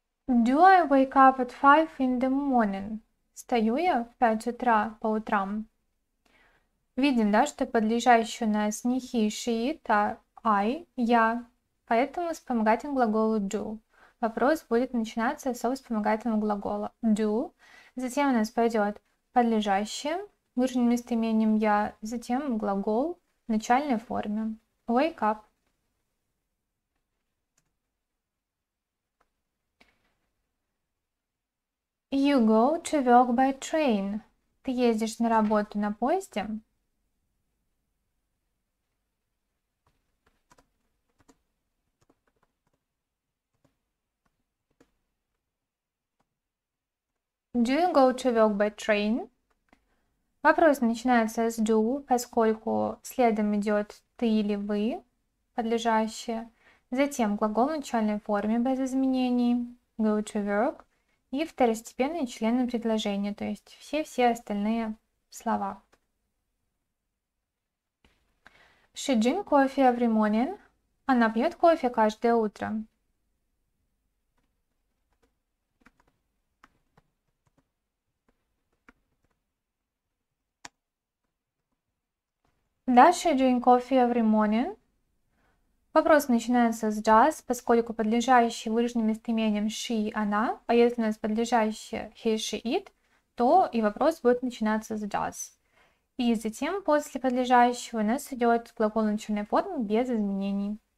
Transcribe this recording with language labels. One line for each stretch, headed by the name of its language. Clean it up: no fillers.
English: Do I wake up at 5 in the morning?
Russian: Встаю я в 5 утра по утрам. Видим, да, что подлежащий у нас не he, she, it, а I, я. Поэтому вспомогательный глагол do. Вопрос будет начинаться со вспомогательного глагола do. Затем у нас пойдет подлежащее, выраженное местоимением я. Затем глагол в начальной форме.
English: Wake up. You go to work by train.
Russian: Ты ездишь на работу на поезде?
English: Do you go to work by train?
Russian: Вопрос начинается с do, поскольку следом идет ты или вы, подлежащее. Затем глагол в начальной форме без изменений.
English: Go to work.
Russian: И второстепенные члены предложения, то есть все-все остальные слова.
English: She drinks coffee every morning.
Russian: Она пьет кофе каждое утро.
English: Does she drink coffee every morning?
Russian: Вопрос начинается с does, поскольку подлежащий выраженным местоимением she – она, а если у нас подлежащее he, she, it, то и вопрос будет начинаться с does. И затем после подлежащего у нас идет глагол начальной формы без изменений.